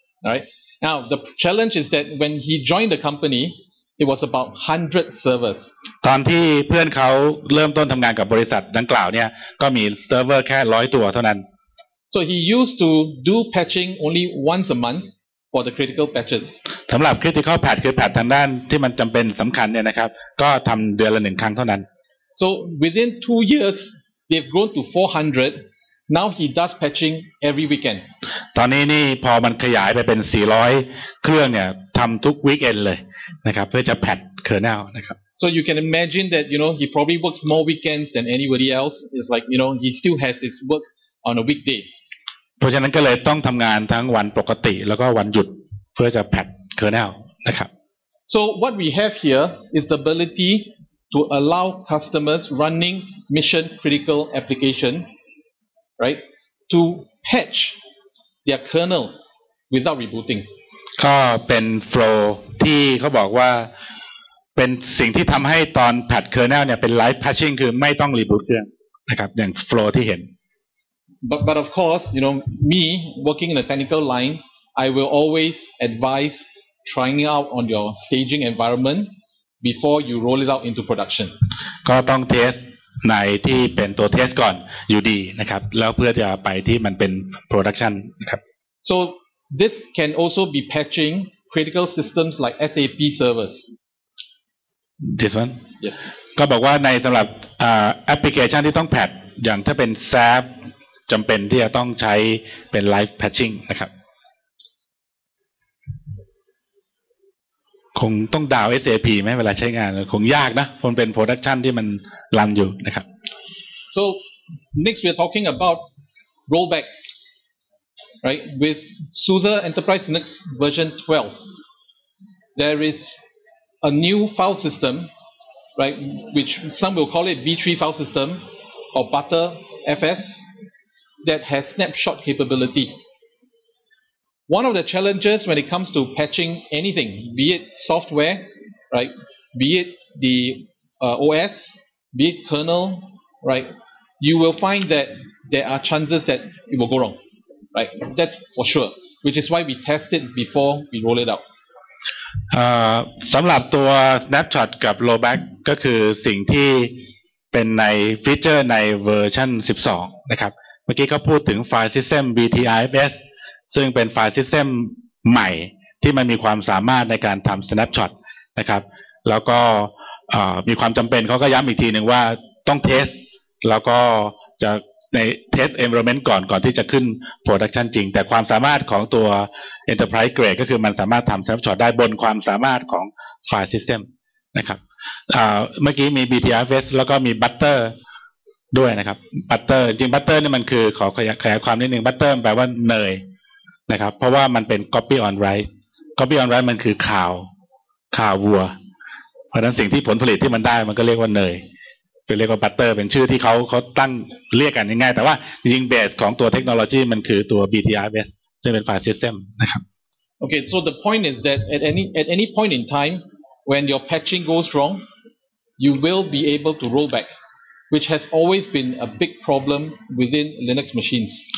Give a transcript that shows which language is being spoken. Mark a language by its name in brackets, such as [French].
[English] Alright now the challenge is that when he joined the company it was about 100 servers [Thai] ตอนที่เพื่อนเขาเริ่มต้นทำงานกับบริษัทดังกล่าวเนี่ยก็มีเซิร์ฟเวอร์แค่100ตัวเท่านั้น [English] So he used to do patching only once a monthfor the critical patches [Thai] สำหรับ critical patch คือ patch ทางด้านที่มันจำเป็นสำคัญเนี่ยนะครับก็ทำเดือนละ1ครั้งเท่านั้น [English] So within 2 years they've grown to 400 now he does patching every weekend [Thai] ตอนนี้นี่พอมันขยายไปเป็น400เครื่องเนี่ยทำทุก weekend เลยนะครับเพื่อจะ patch kernel นะครับ [English] So you can imagine that you know he probably works more weekends than anybody else it's like you know he still has his work on a weekday [Thai] เพราะฉะนั้นก็เลยต้องทำงานทั้งวันปกติแล้วก็วันหยุดเพื่อจะแพทเคอร์เนลนะครับ [English] So what we have here is the ability to allow customers running mission critical application right to patch their kernel without rebooting [Thai] ก็เป็นโฟลว์ที่เขาบอกว่าเป็นสิ่งที่ทำให้ตอนแพทเคอร์เนลเนี่ยเป็นไลฟ์พัชชิ่งคือไม่ต้องรีบูตเครื่องนะครับอย่างโฟลว์ที่เห็น [English] But of course, you know, me working in a technical line, I will always advise trying out on your staging environment before you roll it out into production. [Thai] ก็ต้องเทสในที่เป็นตัวเทสก่อนอยู่ดีนะครับแล้วเพื่อจะไปที่มันเป็น production นะครับ [English] So this can also be patching critical systems like SAP servers. This one? Yes. [Thai] ก็บอกว่าในสำหรับapplication ที่ต้องแพทอย่างถ้าเป็น SAPจำเป็นที่จะต้องใช้เป็น live patching นะครับคงต้องดาว SAP ไหมเวลาใช้งานคงยากนะคงเป็น production ที่มันรันอยู่นะครับ [English] So next we're talking about rollbacks right with SUSE Enterprise Linux version 12 there is a new file system right which some will call it B3 file system or ButterFS that has snapshot capability. One of the challenges when it comes to patching anything, be it software, right, be it the OS, be it kernel, right, you will find that there are chances that it will go wrong, right? That's for sure, which is why we test it before we roll it out. [Thai] สำหรับตัว snapshot กับ rollback ก็คือสิ่งที่เป็นในฟีเจอร์ในเวอร์ชัน12นะครับเมื่อกี้เขาพูดถึงไฟล์ system btrfs ซึ่งเป็นไฟล์ system ใหม่ที่มันมีความสามารถในการทำ snapshot นะครับแล้วก็มีความจำเป็นเขาก็ย้ำอีกทีหนึ่งว่าต้องเทสแล้วก็จะ ในเทสเอนไวรอนเมนต์ก่อนที่จะขึ้นโปรดักชันจริงแต่ความสามารถของตัว Enterprise Grade ก็คือมันสามารถทำ Snapshot ได้บนความสามารถของ File System นะครับเมื่อกี้มี BTRFS แล้วก็มี Butter ด้วยนะครับ Butter จริง Butter นี่มันคือขอขยายความนิดนึง Butter แปลว่าเนยนะครับเพราะว่ามันเป็น Copy on Write Copy on Write มันคือข่าว วัวเพราะนั้นสิ่งที่ผลผลิตที่มันได้มันก็เรียกว่าเนยเรียกว่าบัตเตอร์เป็นชื่อที่เขาตั้งเรียกกันง่ายๆแต่ว่าจริงๆเบสของตัวเทคโนโลยีมันคือตัว BTRFS ซึ่งเป็นไฟล์ซิสเต็มนะครับ [English] โอเค so the point is that at any point in time when your patching goes wrong you will be able to roll back which has always been a big problem within Linux machines